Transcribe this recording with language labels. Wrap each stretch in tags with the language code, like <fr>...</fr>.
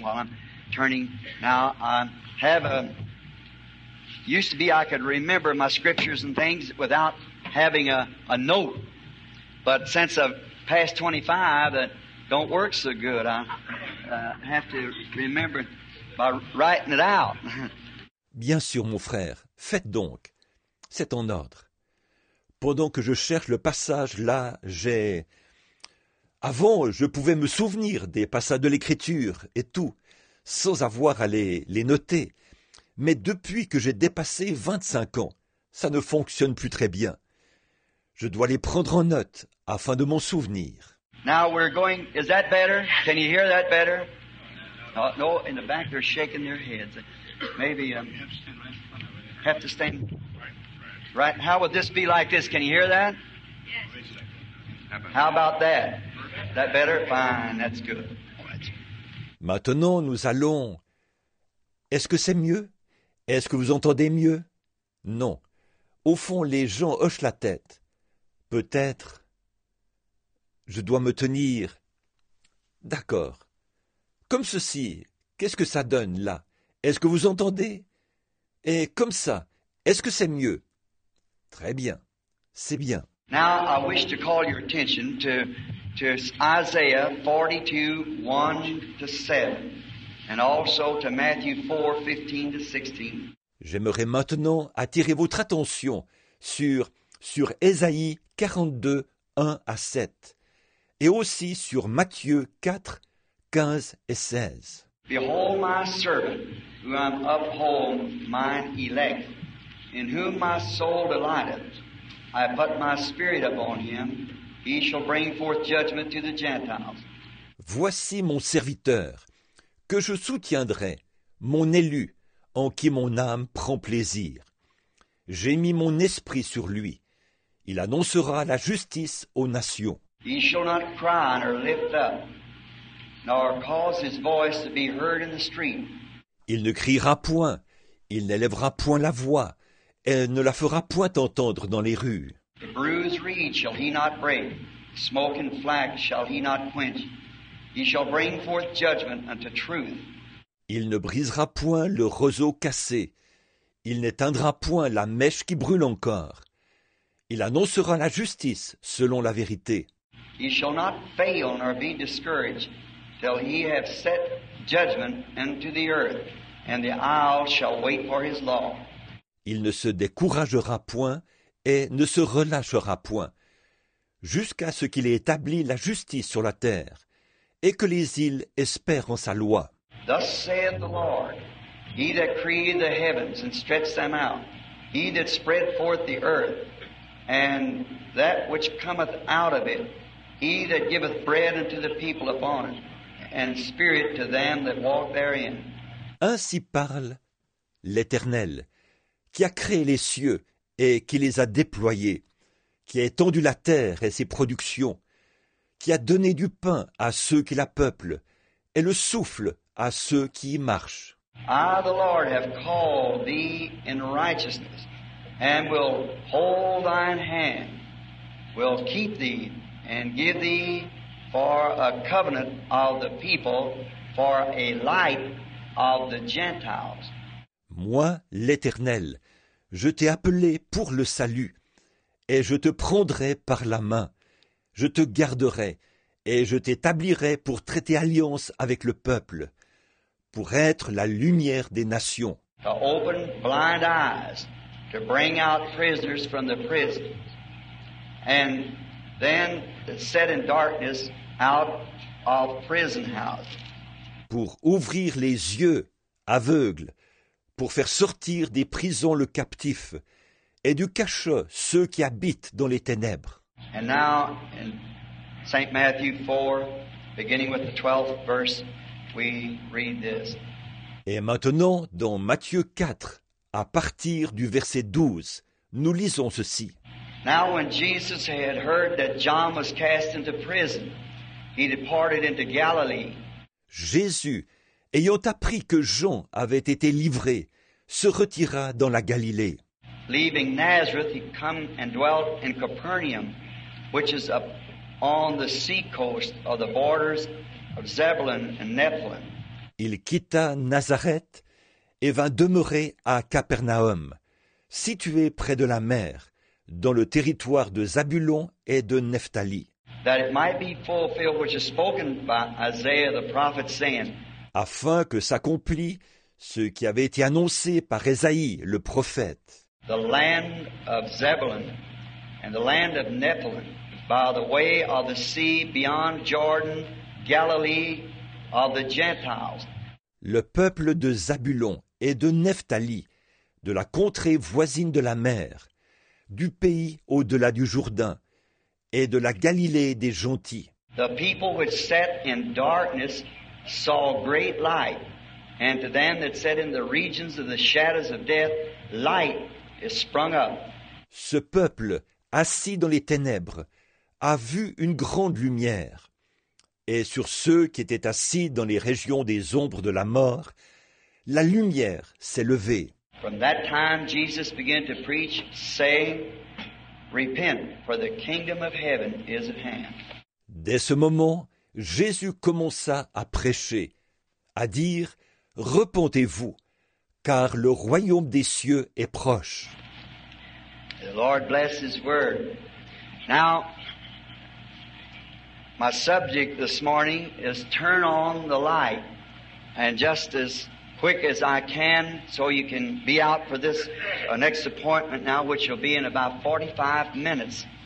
<en>While I'm turning now, I have a... Used to be I could remember my scriptures and things without having a note. But since I've passed 25, that don't work so good. I have to remember by writing it out.</en> <fr>Bien sûr, mon frère. Faites donc. C'est en ordre. Pendant que je cherche le passage, là, j'ai... Avant, je pouvais me souvenir des passages de l'Écriture et tout, sans avoir à les noter. Mais depuis que j'ai dépassé 25 ans, ça ne fonctionne plus très bien. Je dois les prendre en note afin de m'en souvenir.</fr> <en>Now we're going... Is that better? Can you hear that better? No, in the back they're shaking their heads. Maybe have to stand... Right, how would this be like this? Can you hear that? Yes. How about that? That better? Fine, that's good.</en> <fr>Maintenant, nous allons... Est-ce que c'est mieux? Est-ce que vous entendez mieux? Non. Au fond, les gens hochent la tête. Peut-être... Je dois me tenir... D'accord. Comme ceci, qu'est-ce que ça donne, là? Est-ce que vous entendez? Et comme ça, est-ce que c'est mieux? Très bien. C'est bien.</fr> <en>Now I wish to call your attention to Isaiah 42:1-7 and also to Matthew 4:15-16.</en> <fr>J'aimerais maintenant attirer votre attention sur Ésaïe 42:1-7 et aussi sur Matthieu 4:15-16.</fr> <en>Behold my servant who I uphold, mine elect. In whom my soul delighteth, I put my spirit upon him, he shall bring forth judgment to the Gentiles.</en> <fr>Voici mon serviteur, que je soutiendrai, mon élu, en qui mon âme prend plaisir. J'ai mis mon esprit sur lui, il annoncera la justice aux nations.</fr> <en>He shall not cry nor lift up, nor cause his voice to be heard in the street.</en> <fr>Il ne criera point, il n'élèvera point la voix. Elle ne la fera point entendre dans les rues.</fr> <en>The bruised reed shall he not break, the smoking flax shall he not quench. He shall bring forth judgment unto truth.</en> <fr>Il ne brisera point le roseau cassé, il n'éteindra point la mèche qui brûle encore. Il annoncera la justice selon la vérité.</fr> <en>He shall not fail nor be discouraged till he have set judgment unto the earth, and the isle shall wait for his law.</en> <fr>Il ne se découragera point et ne se relâchera point, jusqu'à ce qu'il ait établi la justice sur la terre et que les îles espèrent en sa loi.</fr> <en>Thus saith the Lord, he that created the heavens and stretched them out, he that spread forth the earth and that which cometh out of it, he that giveth bread unto the people upon it and spirit to them that walk therein.</en> <fr>Ainsi parle l'Éternel, qui a créé les cieux et qui les a déployés, qui a étendu la terre et ses productions, qui a donné du pain à ceux qui la peuplent et le souffle à ceux qui y marchent.</fr> <en>I, the Lord, have called thee in righteousness and will hold thine hand, will keep thee and give thee for a covenant of the people, for a light of the Gentiles.</en> <fr>Moi, l'Éternel, je t'ai appelé pour le salut, et je te prendrai par la main. Je te garderai, et je t'établirai pour traiter alliance avec le peuple, pour être la lumière des nations.</fr> <en>to open blind eyes, to bring out prisoners from the prisons, and then set in darkness out of prison house.</en> <fr>Pour ouvrir les yeux aveugles, pour faire sortir des prisons le captif, et du cachot ceux qui habitent dans les ténèbres.</fr> <en>And now, in St. Matthew 4, beginning with the 12th verse, we read this.</en> <fr>Et maintenant, dans Matthieu 4, à partir du verset 12, nous lisons ceci.</fr> <en>Now when Jesus had heard that John was cast into prison, he departed into Galilee.</en> <fr>Jésus, ayant appris que Jean avait été livré, se retira dans la Galilée.</fr> <en>Leaving Nazareth, he came and dwelt in Capernaum, which is up on the seacoast of the borders of Zebulun and Naphtali.</en> <fr>Il quitta Nazareth et vint demeurer à Capernaum, situé près de la mer, dans le territoire de Zabulon et de Naphtali.</fr> <en>That it might be fulfilled which is spoken by Isaiah the prophet saying.</en> <fr>Afin que s'accomplit ce qui avait été annoncé par Esaïe le prophète.</fr> <en>The land of Zebulun and the land of Naphtali, by the way of the sea beyond Jordan, Galilee of the Gentiles.</en> <fr>Le peuple de Zabulon et de Naphtali, de la contrée voisine de la mer, du pays au-delà du Jourdain, et de la Galilée des gentils.</fr> <en>The people which sat in darkness saw great light, and to them that sat in the regions of the shadows of death, light is sprung up.</en> <fr>Ce peuple, assis dans les ténèbres, a vu une grande lumière. Et sur ceux qui étaient assis dans les régions des ombres de la mort, la lumière s'est levée.</fr> <en>From that time, Jesus began to preach, saying, repent, for the kingdom of heaven is at hand.</en> <fr>Dès ce moment, Jésus commença à prêcher, à dire, repentez-vous, car le royaume des cieux est proche.</fr> <en>The Lord bless his word. Now, my subject this morning is turn on the light, and just as quick as I can, so you can be out for this next appointment now, which will be in about 45 minutes.</en>